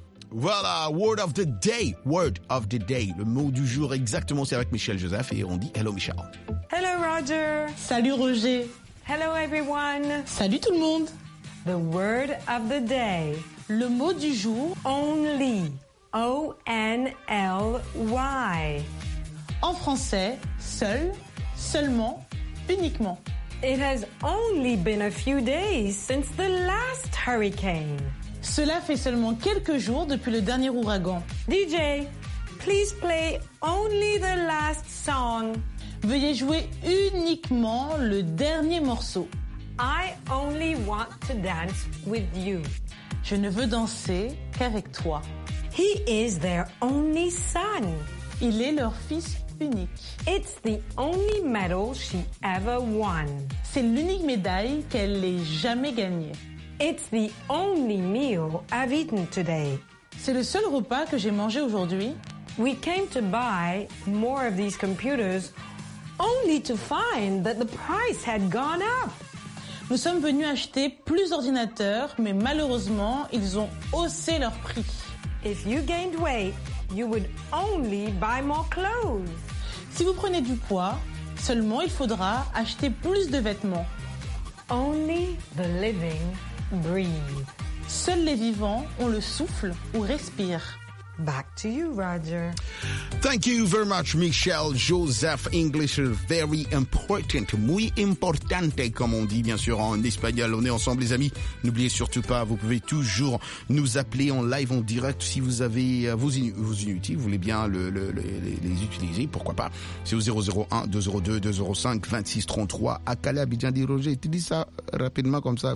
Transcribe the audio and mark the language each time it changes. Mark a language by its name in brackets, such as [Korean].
[French] Voilà, [English] word of the day, word of the day. [French] Le mot du jour exactement, c'est avec Michel Joseph et on dit hello Michel. [English] Hello Roger. [French] Salut Roger. [English] Hello everyone. [French] Salut tout le monde. [English] The word of the day. [French] Le mot du jour. [English] Only. O-N-L-Y. [French] En français, seul, seulement, uniquement. [English] It has only been a few days since the last hurricane. [French] Cela fait seulement quelques jours depuis le dernier ouragan. [English] DJ, please play only the last song. [French] Veuillez jouer uniquement le dernier morceau. [English] I only want to dance with you. [French] Je ne veux danser qu'avec toi. [English] He is their only son. [French] Il est leur fils unique. [English] It's the only medal she ever won. [French] C'est l'unique médaille qu'elle ait jamais gagnée. [English] It's the only meal I've eaten today. [French] C'est le seul repas que j'ai mangé aujourd'hui. [English] We came to buy more of these computers only to find that the price had gone up. [French] Nous sommes venus acheter plus d'ordinateurs, mais malheureusement, ils ont haussé leur prix. [English] If you gained weight, you would only buy more clothes. [French] Si vous prenez du poids, seulement il faudra acheter plus de vêtements. [English] Only the living breathe. Seuls les vivants ont le souffle ou respirent. Back to you, Roger. Thank you very much, Michelle. Joseph, English is very important. [Spanish] Muy importante, [French] comme on dit, bien sûr, en espagnol. On est ensemble, les amis. N'oubliez surtout pas, vous pouvez toujours nous appeler en live, en direct, si vous avez vos inutiles, vous voulez bien les utiliser, pourquoi pas. C'est au 001-202-205-2633. À Calais, Abidjan, dit Roger, tu dis ça rapidement comme ça.